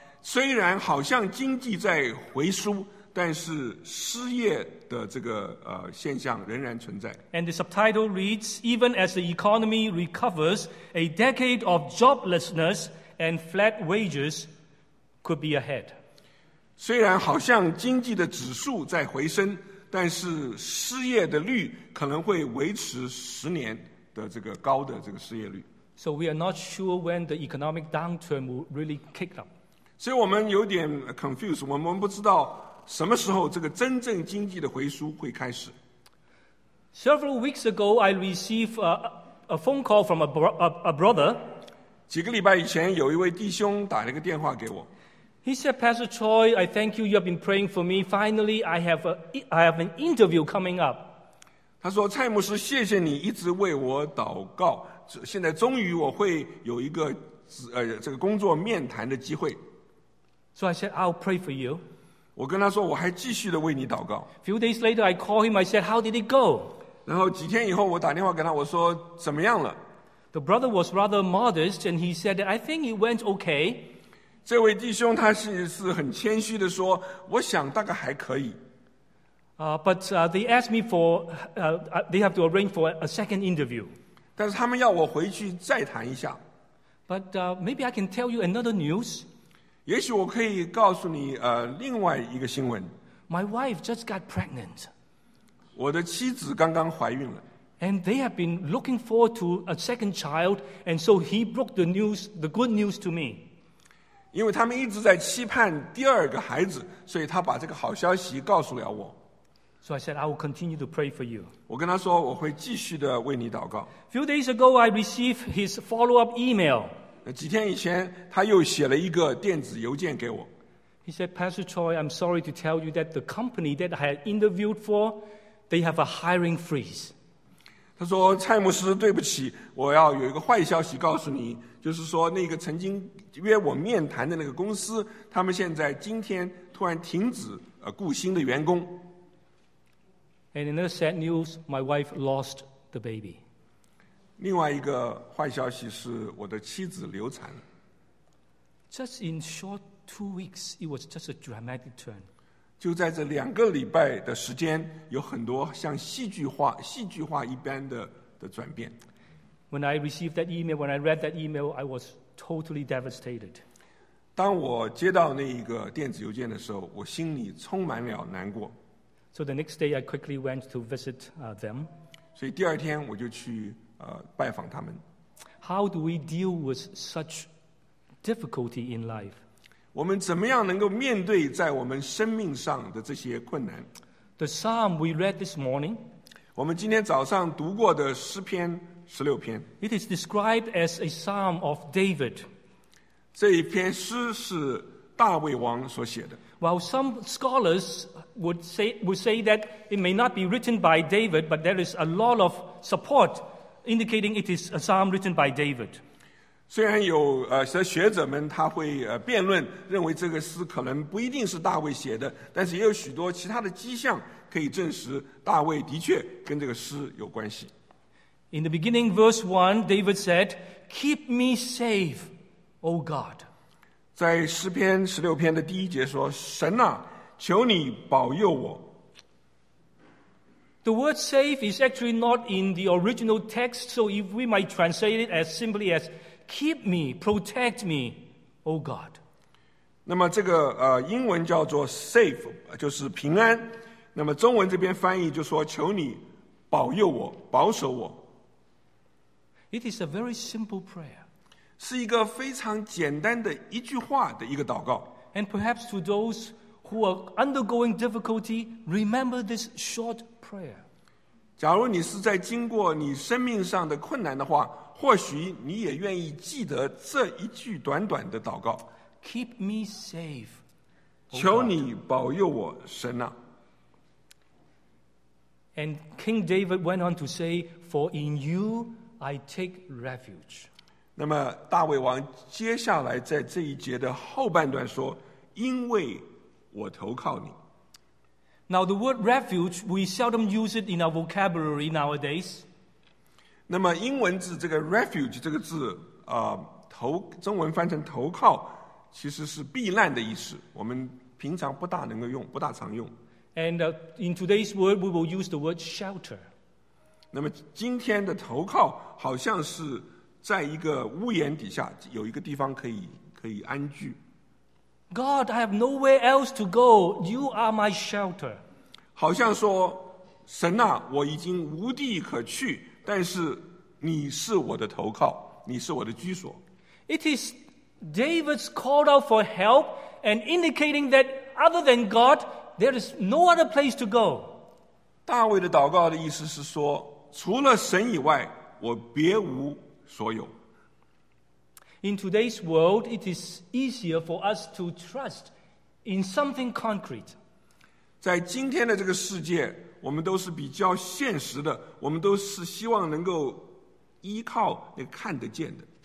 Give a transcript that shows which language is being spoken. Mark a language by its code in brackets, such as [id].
[zh] 虽然好像经济在回输，但是失业的这个现象仍然存在。 [en] And the subtitle reads, "Even as the economy recovers, a decade of joblessness and flat wages could be ahead." [zh] 虽然好像经济的指数在回升，但是失业的率可能会维持十年。的这个高的这个失业率。 [en] So we are not sure when the economic downturn will really kick up. [zh] 所以我们有点 confused， 我们不知道什么时候这个真正经济的回输会开始。 [en] Several weeks ago, I received a phone call from a brother. [zh] 几个礼拜以前，有一位弟兄打了个电话给我。 [en] He said, "Pastor Choi, I thank you. You have been praying for me. Finally, I have an interview coming up." [zh] 他说：“蔡牧师，谢谢你一直为我祷告。现在终于我会有一个这个工作面谈的机会。” [en] So I said, "I'll pray for you." [zh] 我跟他说：“我还继续的为你祷告。” [en] Few days later, I called him. I said, "How did it go?" [zh] 然后几天以后，我打电话给他，我说：“怎么样了？” [en] The brother was rather modest, and he said, "I think it went okay." [zh] 这位弟兄他是很谦虚的说：“我想大概还可以。” [en] But they asked me for, they have to arrange for a second interview. [zh] 但是他们要我回去再谈一下。 [en] But maybe I can tell you another news. [zh] 也许我可以告诉你另外一个新闻。 [en] My wife just got pregnant. [zh] 我的妻子刚刚怀孕了。 [en] And they have been looking forward to a second child, and so he broke the news, the good news to me. [zh] 因为他们一直在期盼第二个孩子，所以他把这个好消息告诉了我。 [en] So I said, "I will continue to pray for you." [zh] 我跟他说我会继续的为你祷告。 [en] Few days ago, I received his follow-up email. [zh] 几天以前，他又写了一个电子邮件给我。 [en] He said, "Pastor Choi, I'm sorry to tell you that the company that I had interviewed for, they have a hiring freeze." [zh] 他说：“蔡牧师，对不起，我要有一个坏消息告诉你，就是说那个曾经约我面谈的那个公司，他们现在今天突然停止雇新的员工。” [en] And another sad news, my wife lost the baby. [zh] 另外一个坏消息是我的妻子流产。 [en] Just in short 2 weeks, it was just a dramatic turn. [zh] 就在这两个礼拜的时间，有很多像戏剧化一般的转变。 [en] When I received that email, when I read that email, I was totally devastated. [zh] 当我接到那一个电子邮件的时候，我心里充满了难过。 [en] So the next day, I quickly went to visit them. [zh] 所以第二天我就去拜访他们。 [en] How do we deal with such difficulty in life? [zh] 我们怎么样能够面对在我们生命上的这些困难？ [en] The psalm we read this morning. [zh] 我们今天早上读过的诗篇十六篇。 [en] It is described as a psalm of David. [zh] 这一篇诗是大卫王所写的。 [en] While some scholars would say that it may not be written by David, but there is a lot of support indicating it is a psalm written by David. [zh] 虽然有学者们他会辩论，认为这个诗可能不一定是大卫写的，但是也有许多其他的迹象可以证实大卫的确跟这个诗有关系。 [en] In the beginning, verse 1, David said, "Keep me safe, O God." [zh] 在诗篇十六篇的第一节说：“神啊，求你保佑我。” [en] The word "safe" is actually not in the original text, so if we might translate it as simply as "keep me, protect me, O God." [zh] 那么这个英文叫做 safe， 就是平安。那么中文这边翻译就说求你保佑我，保守我。 [en] It is a very simple prayer， [zh] 是一个非常简单的一句话的一个祷告。 [en] And perhaps to those who are undergoing difficulty， remember this short prayer。 [zh] 假如你是在经过你生命上的困难的话，或许你也愿意记得这一句短短的祷告。 [en] Keep me safe， [zh] 求你保佑我，神啊。 [en] And King David went on to say, "For in you I take refuge." [zh] 那么大卫王接下来在这一节的后半段说，因为我投靠你。 [en] Now the word refuge, we seldom use it in our vocabulary nowadays. [zh] 那么英文字这个 refuge 这个字啊，中文翻成投靠，其实是避难的意思，我们平常不大能够用，不大常用。 [en] And in today's word, we will use the word shelter. [zh] 那么今天的投靠好像是在一个屋檐底下，有一个地方可以安居。 [en] God, I have nowhere else to go. You are my shelter. [zh] 好像说，神啊，我已经无地可去，但是你是我的投靠，你是我的居所。 [en] It is David's call out for help and indicating that other than God, there is no other place to go. [zh] 大卫的祷告的意思是说，除了神以外，我别无所有。 [en] In today's world, it is easier for us to trust in something concrete. [zh] 在今天的这个世界，我们都是比较现实的，我们都是希望能够依靠那个看得见的。